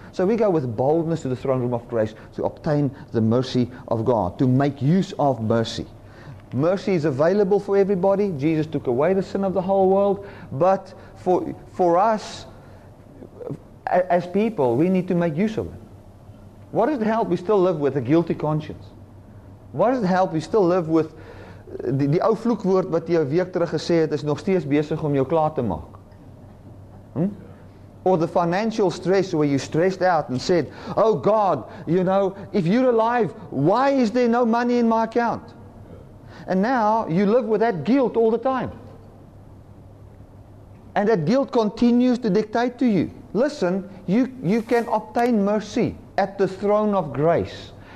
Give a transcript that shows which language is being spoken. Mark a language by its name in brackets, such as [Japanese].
[English] So we go with boldness to the throne room of grace to obtain the mercy of God, to make use of mercy. Mercy is available for everybody. Jesus took away the sin of the whole world. But for us, as people, we need to make use of it. What does it help we still live with a guilty conscience? What does it help we still live with [Afrikaans] die ou vloekwoord wat jy 'n week terug gesê het is nog steeds besig om jou klaar te maak? [English] Or the financial stress where you stressed out and said, oh God, you know, if you're alive, why is there no money in my account? And now you live with that guilt all the time. And that guilt continues to dictate to you. Listen, you can obtain mercy at the throne of grace.